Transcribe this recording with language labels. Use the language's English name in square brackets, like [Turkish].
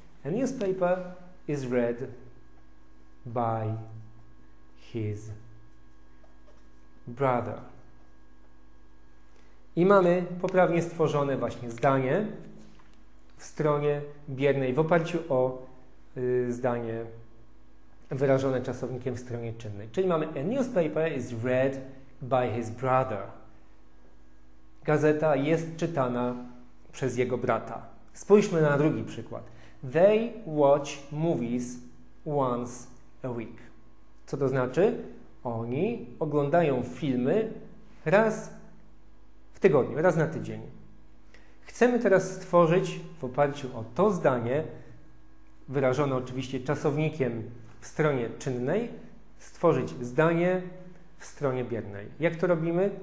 [English] A newspaper is read by his brother. [Polish] I mamy poprawnie stworzone właśnie zdanie w stronie biernej w oparciu o zdanie wyrażone czasownikiem w stronie czynnej. Czyli mamy [English] a newspaper is read by his brother. [Polish] Gazeta jest czytana przez jego brata. Spójrzmy na drugi przykład. [English] They watch movies once a week. [Polish] Co to znaczy? Oni oglądają filmy raz w tygodniu, raz na tydzień. Chcemy teraz stworzyć w oparciu o to zdanie, wyrażone oczywiście czasownikiem w stronie czynnej, stworzyć zdanie w stronie biernej. Jak to robimy?